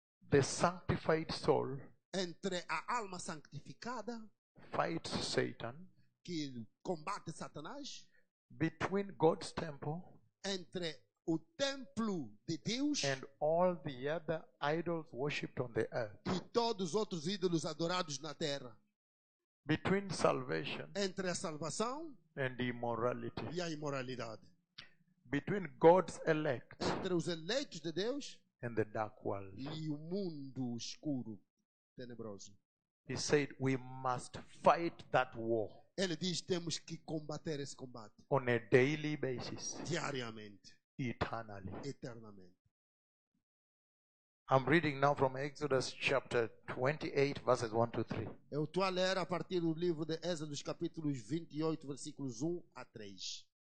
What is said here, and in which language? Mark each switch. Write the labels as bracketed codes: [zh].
[en] The sanctified soul. [pt] Entre a alma santificada. [en] Fight Satan, [pt] que combate Satanás, [en] between God's temple, [pt] entre o templo de Deus, [en] and all the other idols worshipped on the earth, [pt] e todos os outros ídolos adorados na terra, [en] between salvation, [pt] entre a salvação, [en] and immorality, [pt] e a imoralidade, [en] between God's elect, [pt] entre os eleitos de Deus, [en] and the dark world, [pt] e o mundo escuro, tenebroso. [en] He said, "We must fight that war." [pt] Ele diz, temos que combater esse combate. [en] On a daily basis. [pt] Diariamente. [en] Eternally. [pt] Eternamente. [en] I'm reading now from Exodus chapter 28, verses 1 to 3. [pt] Eu estou a ler a partir do livro de Exodus, capítulos 28, versículos 1 a 3.